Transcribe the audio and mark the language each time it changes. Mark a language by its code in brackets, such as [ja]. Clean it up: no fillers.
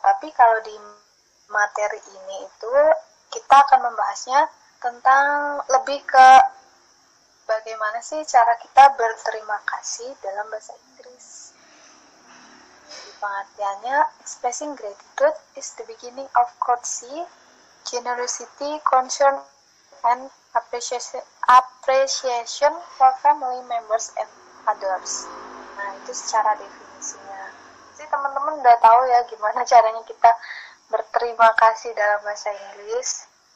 [id] Tapi kalau di materi ini itu kita akan membahasnya tentang lebih ke bagaimana sih cara kita berterima kasih dalam bahasa Inggris. Jadi pengertiannya, [en] expressing gratitude is the beginning of courtesy, generosity, concern, and appreciation for family members and others. [id] Nah, itu secara definisinya. Jadi teman-teman udah tahu ya gimana caranya kita berterima kasih dalam bahasa Inggris.